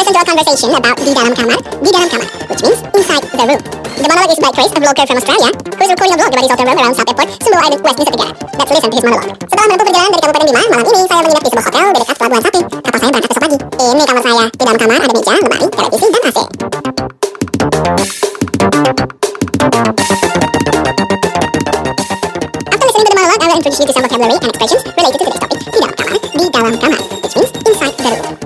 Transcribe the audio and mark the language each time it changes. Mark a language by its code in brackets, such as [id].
[en] Conversation about [id] di dalam kamar, [en] which means inside the room. The monologue is by Chris, a vlogger from Australia, who is recording a vlog about his hotel room around South Airport, Sembawang Island, West Nusa Tenggara. Let's listen to his monologue. [id] Setelah menempuh perjalanan dari Kabupaten Bima, malam ini saya menginap di sebuah hotel di dekat Pelabuhan Sapi. Kapal saya berangkat besok pagi. Ini kamar saya. Di dalam kamar ada meja, lemari, televisi, dan AC. [en] After listening to the monologue, I will introduce you to some vocabulary and expressions related to today's topic, [id] di dalam kamar, [en] which means inside the room.